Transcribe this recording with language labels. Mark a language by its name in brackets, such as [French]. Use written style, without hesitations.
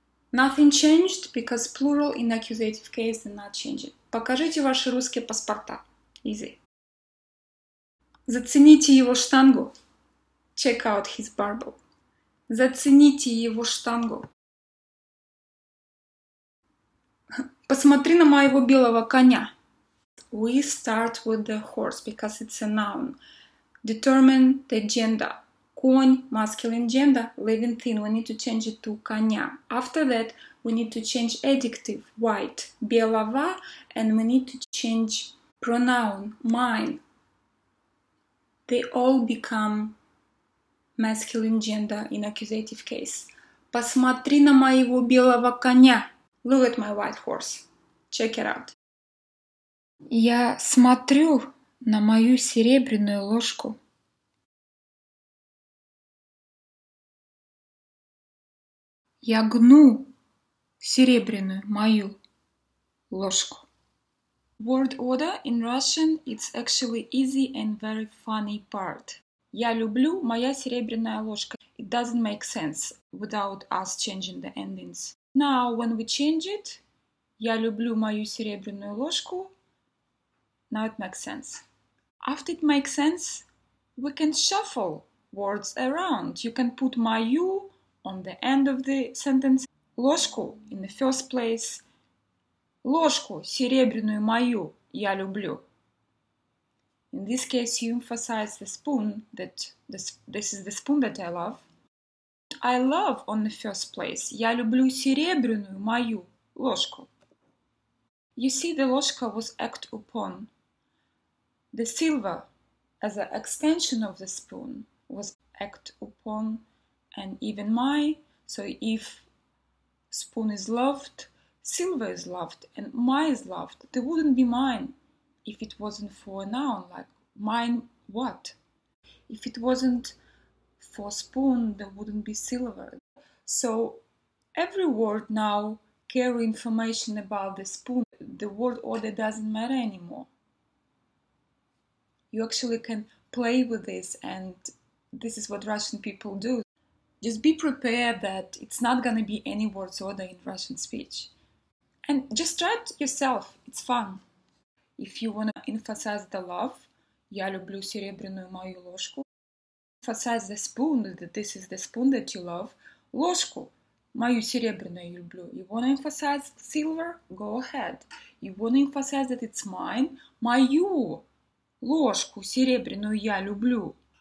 [English] Nothing changed, because plural in accusative case is not changing. [Russian] Покажите ваши русские паспорта, [English] easy. [Russian] Зацените его штангу, [English] check out his barbell. [Russian] Зацените его штангу. Посмотри на моего белого коня. [English] We start with the horse because it's a noun. Determine the gender. Конь, masculine gender, living thing. We need to change it to коня. After that, we need to change adjective, white, белого, and we need to change pronoun, mine. They all become masculine gender in accusative case. [Russian] Посмотри на моего белого коня. [English] Look at my white horse. Check it out. [Russian] Я смотрю на мою серебряную ложку. Я гну серебряную мою ложку. [English] Word order in Russian, it's actually easy and very funny part. [Russian] Я люблю моя серебряная ложка. [English] It doesn't make sense without us changing the endings. Now, when we change it, [Russian] я люблю мою серебряную ложку. [English] Now it makes sense. After it makes sense, we can shuffle words around. You can put мою on the end of the sentence. Ложку in the first place. [Russian] Ложку серебряную мою я люблю. [English] In this case, you emphasize the spoon, that this is the spoon that I love. I love on the first place. [Russian] Я люблю серебряную мою ложку. [English] You see, the ложка was act upon. The silver, as an extension of the spoon, was act upon, and even my. So if spoon is loved, silver is loved, and my is loved, they wouldn't be mine if it wasn't for a noun, like mine what? If it wasn't for spoon, there wouldn't be silver. So every word now carry information about the spoon, the word order doesn't matter anymore. You actually can play with this, and this is what Russian people do. Just be prepared that it's not going to be any words order in Russian speech. And just try it yourself. It's fun. If you want to emphasize the love, [Russian] я люблю серебряную мою ложку. [English] Emphasize the spoon, that this is the spoon that you love. [Russian] Ложку, мою серебряную люблю. [English] You want to emphasize silver? Go ahead. You want to emphasize that it's mine? [Russian] Мою ложку серебряную я люблю.